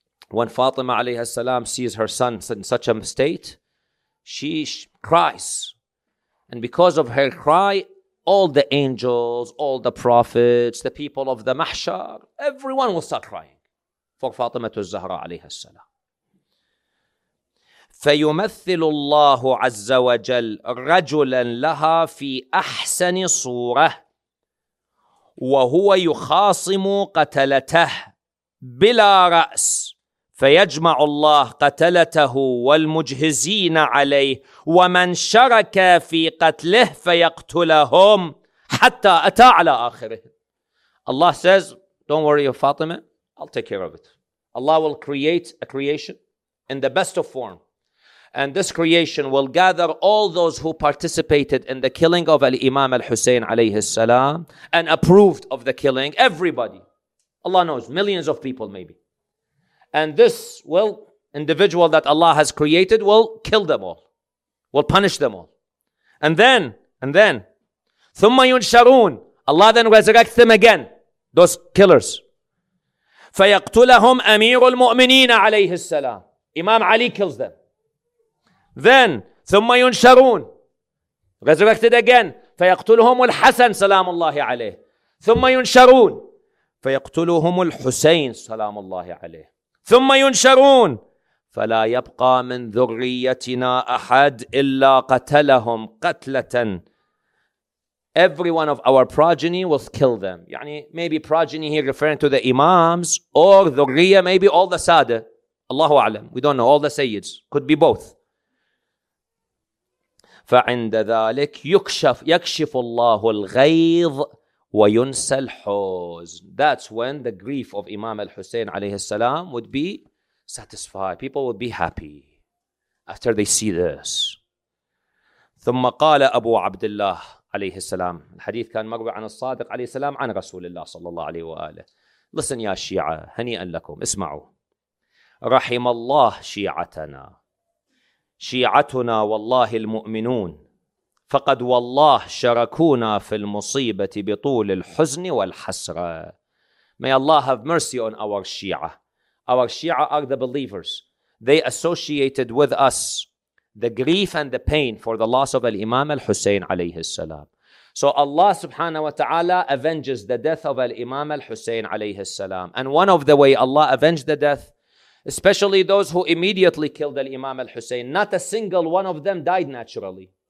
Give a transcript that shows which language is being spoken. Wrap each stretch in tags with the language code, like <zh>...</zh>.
<en>When Fatima alayhi salam sees her son in such a state, she cries. And because of her cry, all the angels, all the prophets, the people of the mahshar, everyone will start crying for Fatima al-Zahra alayhi salam.</en> <ar>فيمثل الله عز وجل رجلا لها في أحسن صورة وهو يخاصم قتلته بلا رأس فيجمع الله قتلته والمجهزين عليه ومن شرك في قتله فيقتلهم حتى أتى على آخره.</ar> <en>Allah says, don't worry of Fatima, I'll take care of it. Allah will create a creation in the best of form. And this creation will gather all those who participated in the killing of al-Imam al-Hussein alayhi salam and approved of the killing, everybody. Allah knows, millions of people maybe. And this will individual that Allah has created will kill them all, will punish them all. And then,</en> <ar>ثُمَّ يُنْشَرُونَ.</ar> <en>Allah then resurrects them again, those killers.</en> <ar>فَيَقْتُلَهُمْ أَمِيرُ الْمُؤْمِنِينَ عَلَيْهِ السَّلَامِ.</ar> <en>Imam Ali kills them. Then,</en> <ar>ثُمَّ يُنْشَرُونَ,</ar> <en>resurrected again,</en> <ar>فَيَقْتُلُهُمُ الْحَسَنُ سَلَامُ اللَّهِ عَلَيْهِ, ثُمَّ يُنْشَرُونَ, فَيَقْتُلُهُمُ الْحُسَيْنُ سَلَامُ اللَّهِ عَلَيْهِ, ثم ينشرون فلا يبقى من ذريتنا أحد إلا قتلهم قتلة.</ar> <en>Every one of our progeny will kill them. يعني maybe progeny here referring to the imams or ذريه, maybe all the sada.</en> <ar>الله أعلم.</ar> <en>We don't know. All the sayyids. Could be both.</en> <ar>فعند ذلك يكشف يكشف الله الغيظ وينسى الحزن.</ar> <en>That's when the grief of Imam al-Hussein عليه السلام would be satisfied. People would be happy after they see this.</en> <ar>ثم قال أبو عبد الله عليه السلام. الحديث كان مروي عن الصادق عليه السلام عن رسول الله صلى الله عليه وآله.</ar> <en>Listen</en> <ar>يا الشيعة, هنيئا لكم, اسمعوا. رحم الله شيعتنا, شيعتنا والله المؤمنون, فقد والله شركونا في المصيبة بطول الحزن والحسرة.</ar> <en>May Allah have mercy on our Shia. Our Shia are the believers. They associated with us the grief and the pain for the loss of al-Imam al-Hussein alayhi salam. So Allah subhanahu wa ta'ala avenges the death of al-Imam al-Hussein alayhi salam. And one of the way Allah avenged the death, especially those who immediately killed al-Imam al-Hussein, not a single one of them died naturally.</en>